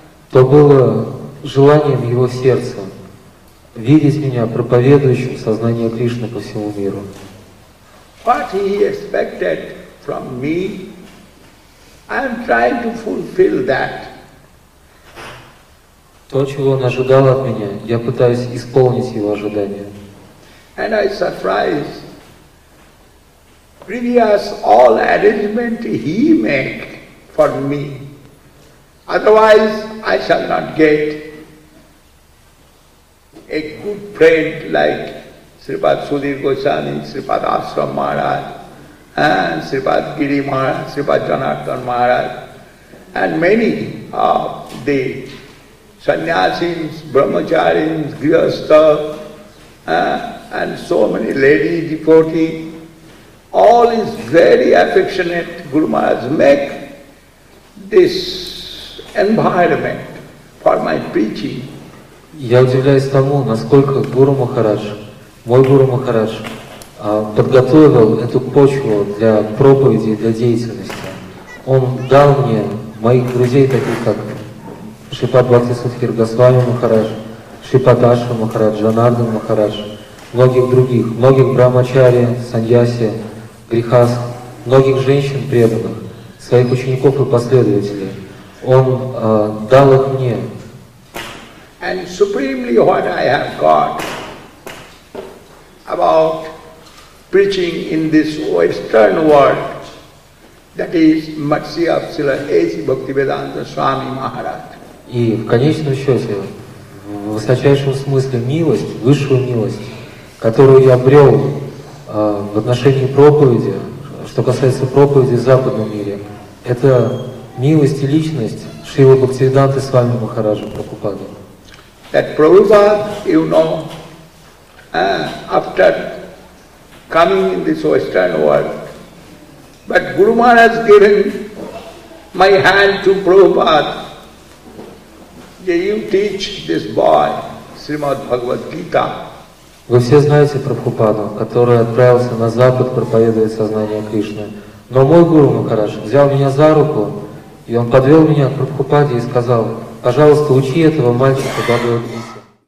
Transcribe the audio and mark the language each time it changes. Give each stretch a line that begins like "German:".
Russian: То было желанием его сердца видеть меня проповедующим сознание Кришны по всему миру.
English: What he expected from me, I am trying to fulfill that.
Russian: То, чего он ожидал от меня, я пытаюсь исполнить его ожидания.
English: And I surprise previous all arrangement he make for me. Otherwise, I shall not get a good friend like Sripad Sudhir Goswami, Sripad Ashram Maharaj, and Sripad Giri Maharaj, Sripad Janardhan Maharaj, and many of the sannyasins, brahmacharins, grihastha, and so many lady devotees. All is very affectionate. Guru Maharaj make this environment for my preaching.
Russian: Я удивляюсь тому, насколько Гуру Махарадж, мой Гуру Махарадж, подготовил эту почву для проповеди, для деятельности. Он дал мне моих друзей, таких как Шрипад Бхакти Судхир Госвами Махарадж, Шрипад Ашрам Махарадж, Джанардан Махарадж, многих других, многих брамачари, саньяси, грихас, многих женщин преданных, своих учеников и последователей. Он дал их мне.
English: And supremely what I have got about preaching in this Western world, that is Matsi of Srila A.C. Bhaktivedanta Swami Maharaj.
Russian: И в конечном счете, в высочайшем смысле милость, высшую милость, которую я обрел в отношении проповеди, что касается проповеди в западном мире, это милость и личность Шрилы Бхактивиданты с вами Махараджа Прабхупады.
English: That Prabhupada, you know, after coming in this Western world, but Guru Maharaj given my hand to Prabhupada, that you teach this boy Srimad Bhagavad Gita.
Russian: Вы все знаете Прабхупаду, который отправился на Запад проповедовать сознание Кришны. Но мой Гуру Махарадж взял меня за руку И он подвел меня к Прабхупаде и сказал: «Пожалуйста, учи этого мальчика Бхагавад-гите».